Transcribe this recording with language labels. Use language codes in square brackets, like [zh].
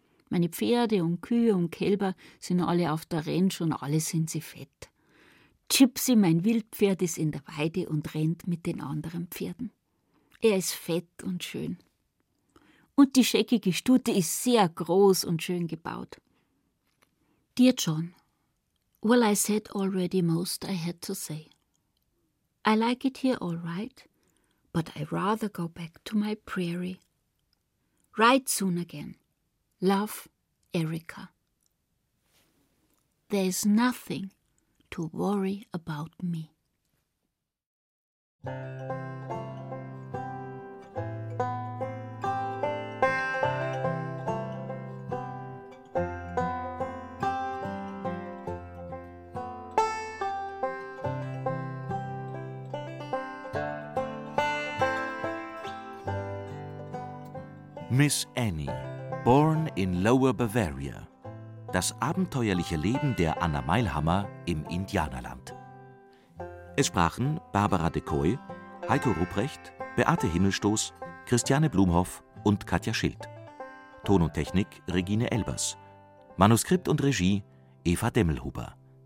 [de] Meine Pferde und Kühe und Kälber sind alle auf der Ranch und alle sind sie fett. Gypsy, mein Wildpferd, ist in der Weide und rennt mit den anderen Pferden. Er ist fett und schön. Und die scheckige Stute ist sehr groß und schön gebaut. [en] Dear John, well, I said already most I had to say. I like it here all right, but I rather go back to my prairie. Write soon again. Love, Erica. There is nothing to worry about me. Miss Annie, born in Lower Bavaria. [de] Das abenteuerliche Leben der Anna Meilhammer im Indianerland. Es sprachen Barbara de Koy, Heiko Ruprecht, Beate Himmelstoß, Christiane Blumhoff und Katja Schild. Ton und Technik Regine Elbers. Manuskript und Regie Eva Demmelhuber.